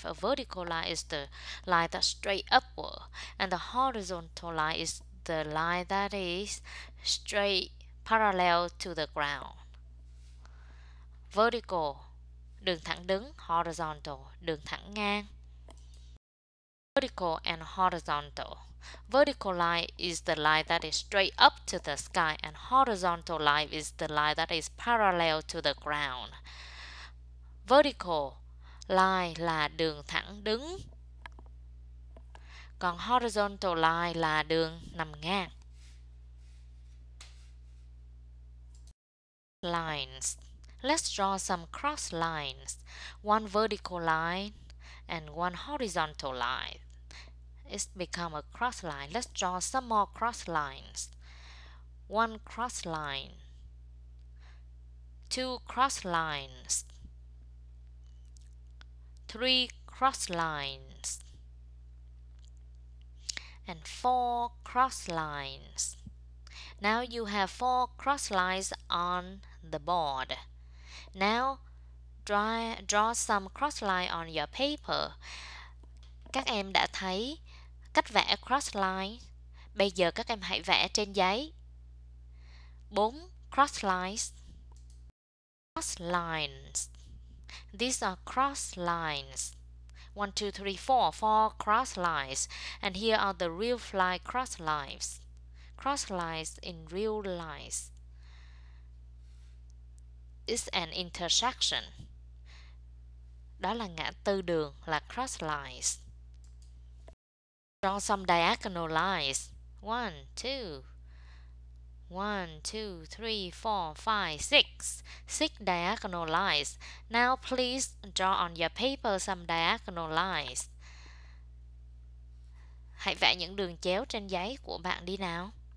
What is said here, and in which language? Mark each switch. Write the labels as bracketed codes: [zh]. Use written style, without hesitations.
[en] A vertical line is the line that's straight upward, and the horizontal line is the line that is straight parallel to the ground. [vi] Vertical, đường thẳng đứng. [en] Horizontal, [vi] đường thẳng ngang. [en] Vertical and horizontal. Vertical line is the line that is straight up to the sky, and horizontal line is the line that is parallel to the ground. [vi] Vertical line là đường thẳng đứng, còn horizontal line là đường nằm ngang. [en] Lines. Let's draw some cross lines. One vertical line and one horizontal line. It's become a cross line. Let's draw some more cross lines. One cross line. Two cross lines. Three cross lines and four cross lines. Now you have four cross lines on the board. Now draw some cross line on your paper. [vi] Các em đã thấy cách vẽ cross line. Bây giờ các em hãy vẽ trên giấy. [en] Bốn cross lines. Cross lines. These are cross lines. 1, 2, 3, 4. 4 cross lines. And here are the real fly cross lines. Cross lines in real lines. It's an intersection. [vi] Đó là ngã tư đường, là cross lines. [en] Draw some diagonal lines. 1, 2. 1, 2, 3, 4, 5, 6. 6 diagonal lines. Now please draw on your paper some diagonal lines. [vi] Hãy vẽ những đường chéo trên giấy của bạn đi nào.